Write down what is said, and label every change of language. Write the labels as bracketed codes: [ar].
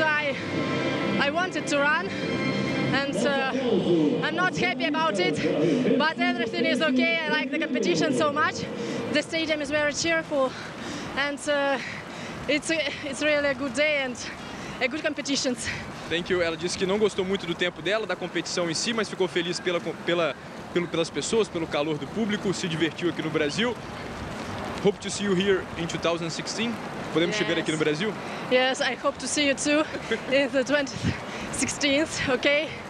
[en] I wanted to run and I'm not happy about it, but everything is okay. I like the competition so much. The stadium is very cheerful and it's really a good day and a good competition. Thank you. [pt] Ela disse que não gostou muito do tempo dela, da competição em si, mas ficou feliz pelas pessoas, pelo calor do público, se divertiu aqui no Brasil. [en] Hope to see you here in 2016. [pt] Podemos te ver aqui no Brasil? [en] Yes, I hope to see you too in the 2016, okay?